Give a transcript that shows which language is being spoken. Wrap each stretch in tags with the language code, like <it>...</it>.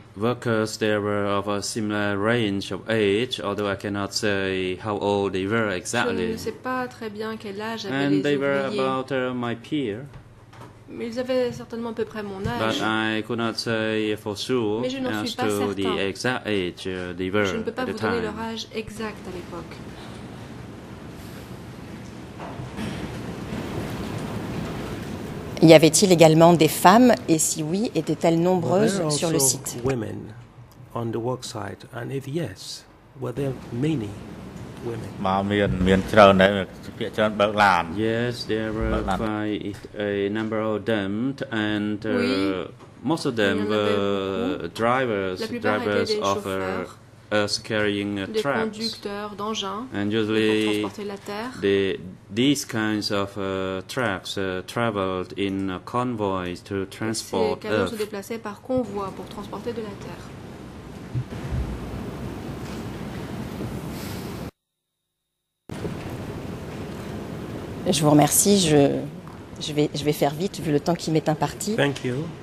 <en>Workers, they were of a similar range of age, although I cannot say how old they were exactly.</en> <fr>Je ne sais pas très bien quel âge avaient les ouvriers.</fr> <en>And they were about my peer.</en> <fr>Mais ils avaient certainement à peu près mon âge.</fr> <en>But I could not say for sure as to the exact age they were.</en> <fr>Je ne peux pas vous donner leur âge exact à l'époque. Y avait-il également des femmes, et si oui, étaient-elles nombreuses sur le site?</fr> <en>Women on the work site, and if yes, were there many women? Yes, there were quite a number of them, and most of them were drivers of us carrying trucks, and usually these kinds of trucks traveled in convoys to transport earth.</en> <fr>Se déplaçaient par convoi pour transporter de la terre. Je vous remercie. Je vais faire vite vu le temps qui m'est imparti.</fr> <en>Thank you.</en>